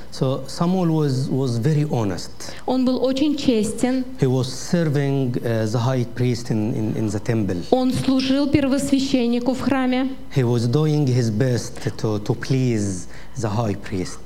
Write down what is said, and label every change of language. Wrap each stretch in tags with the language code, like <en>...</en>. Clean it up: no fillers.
<en>So Samuel was very honest.</en> <ru>Он был очень честен.</ru> <en>He was serving the high priest in the temple.</en> <ru>Он служил первосвященнику в храме.</ru> <en>He was doing his best to please the high priest.</en>